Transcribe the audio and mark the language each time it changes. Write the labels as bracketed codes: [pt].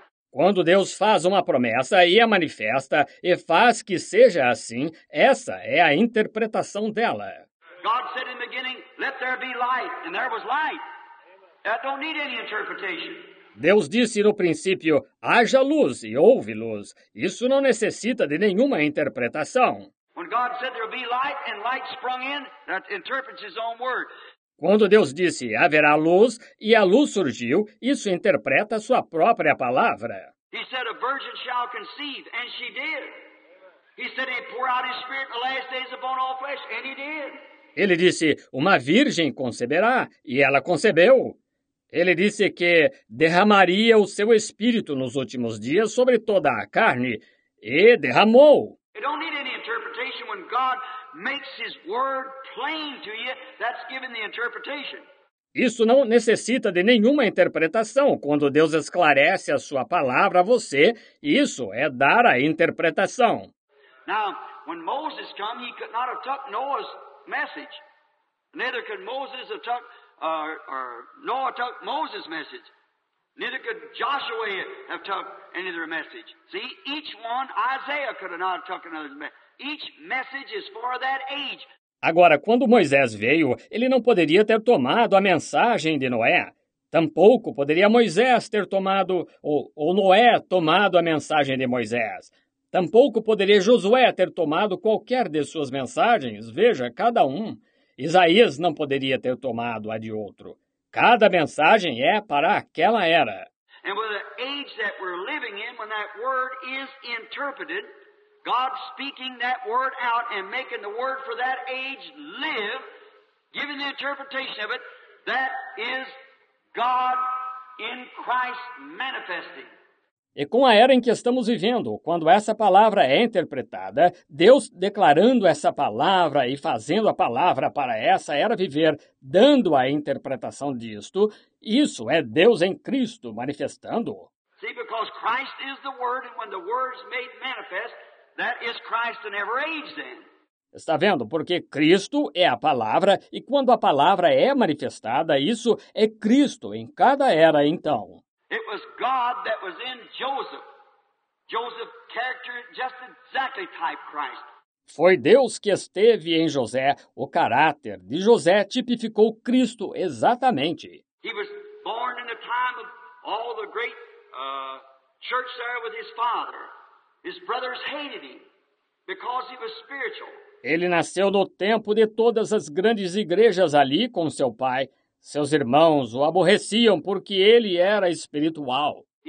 [pt] Quando Deus faz uma promessa e a manifesta e faz que seja assim, essa é a interpretação dela. [en] God said in the beginning, let there be light, and there was light. I don't need any interpretation. [pt] Deus disse no princípio, haja luz e houve luz. Isso não necessita de nenhuma interpretação. [en] When God said there would be light and light sprung in, that interprets his own word. [pt] Quando Deus disse, haverá luz, e a luz surgiu, isso interpreta a sua própria palavra. [en] He said, a virgin shall conceive, and she did. He said, he pour out his spirit in the last days upon all flesh, and he did. [pt] Ele disse, uma virgem conceberá, e ela concebeu. Ele disse que derramaria o seu espírito nos últimos dias sobre toda a carne, e derramou. [en] You don't need any interpretation when God makes his word plain to you, that's given the interpretation. [pt] Isso não necessita de nenhuma interpretação. Quando Deus esclarece a sua palavra a você, isso é dar a interpretação. [en] Now, when Moses came, he could not have took Noah's message. Neither could Moses have took, or Noah took Moses' message. Neither could Joshua have took any other message. See, each one, Isaiah could have not took another message. Each message is for that age. [pt] Agora, quando Moisés veio, ele não poderia ter tomado a mensagem de Noé. Tampouco poderia Moisés ter tomado, ou Noé tomado a mensagem de Moisés. Tampouco poderia Josué ter tomado qualquer de suas mensagens. Veja, cada um. Isaías não poderia ter tomado a de outro. Cada mensagem é para aquela era. [en] And with the age that we're living in, when that word is interpreted, God speaking that word out and making the word for that age live, giving the interpretation of it, that is God in Christ manifesting. [pt] E com a era em que estamos vivendo, quando essa palavra é interpretada, Deus declarando essa palavra e fazendo a palavra para essa era viver, dando a interpretação disto, isso é Deus em Cristo manifestando. [en] See, because Christ is the Word, and when the Word is made manifest, that is Christ in every age then. [pt] Está vendo? Porque Cristo é a palavra, e quando a palavra é manifestada, isso é Cristo em cada era então. [en] It was God that was in Joseph. Joseph's character just exactly typed Christ. [pt] Foi Deus que esteve em José. O caráter de José tipificou Cristo exatamente. [en] He was born in the time of all the great church there with his father. His brothers hated him because he was spiritual. [pt] Ele nasceu no tempo de todas as grandes igrejas ali com seu pai. Seus irmãos o aborreciam porque ele era espiritual.